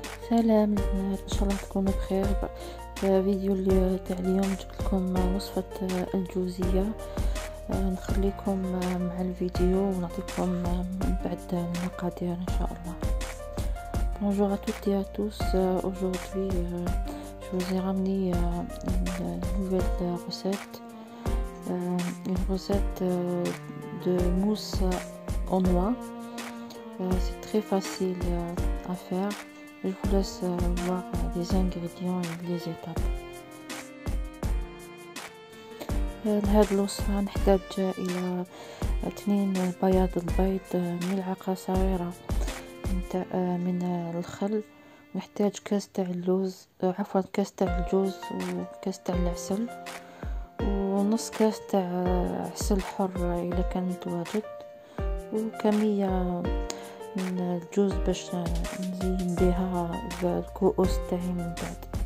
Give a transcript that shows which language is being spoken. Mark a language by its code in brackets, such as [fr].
[ar] سلام، ان شاء الله تكونوا بخير. فيديو تاع اليوم جبت لكم وصفه الجوزيه، نخليكم مع الفيديو ونعطيكم من بعد المقادير ان شاء الله. [fr] بونجور ا توتي ا توس، aujourd'hui je vous ai ramené une nouvelle recette, une recette de mousse au noix. C'est très facile à faire. Je vous laisse voir les ingrédients et les étapes. [ar] هاد الوصفة نحتاج إلى 2 بياض البيض، ملعقة صغيرة من الخل، نحتاج كاس تاع اللوز، عفوا كاس تاع الجوز، وكاس تاع العسل، ونص كاس تاع عسل حر إذا كان متواجد، وكمية من الجوز باش نزين بها الكؤوس تاعي من بعد.